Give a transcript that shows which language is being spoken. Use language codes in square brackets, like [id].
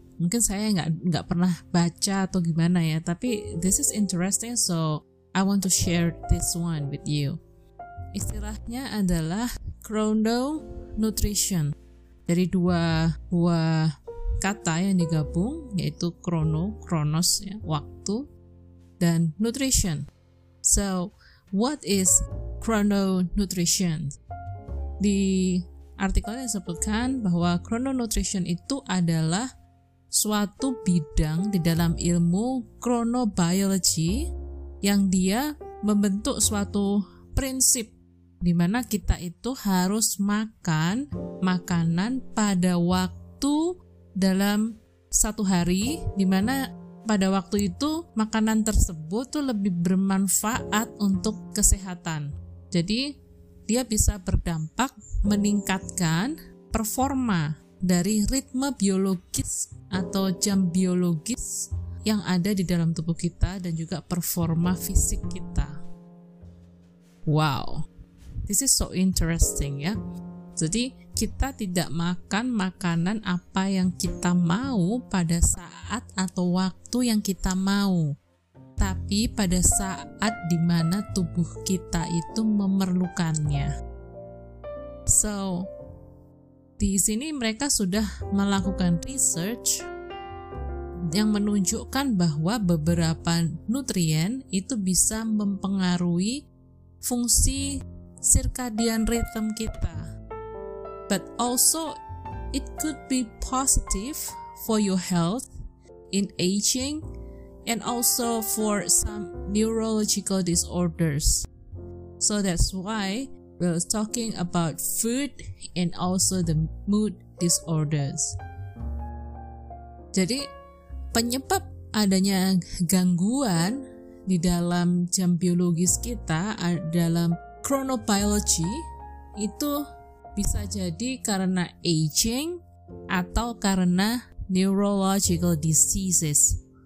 [id] Mungkin saya nggak pernah baca atau gimana ya, tapi [en] this is interesting, so I want to share this one with you. [id] Istilahnya adalah chrono nutrition, dari dua kata yang digabung, yaitu chrono, chronos, ya, waktu, dan nutrition. [en] So, what is chrono nutrition? [id] Di artikelnya disebutkan bahwa chrono nutrition itu adalah suatu bidang di dalam ilmu chronobiology yang dia membentuk suatu prinsip di mana kita itu harus makan makanan pada waktu dalam satu hari, di mana pada waktu itu makanan tersebut tuh lebih bermanfaat untuk kesehatan. Jadi dia bisa berdampak meningkatkan performa dari ritme biologis atau jam biologis yang ada di dalam tubuh kita dan juga performa fisik kita. Wow. [en] This is so interesting ya. [id] Jadi kita tidak makan makanan apa yang kita mau pada saat atau waktu yang kita mau, tapi pada saat di mana tubuh kita itu memerlukannya. So, di sini mereka sudah melakukan research yang menunjukkan bahwa beberapa nutrien itu bisa mempengaruhi fungsi circadian rhythm kita, [en] but also it could be positive for your health in aging and also for some neurological disorders. So that's why we're talking about food and also the mood disorders. [id] Jadi penyebab adanya gangguan di dalam jam biologis kita, dalam chronobiology, itu bisa jadi karena aging atau karena neurological diseases.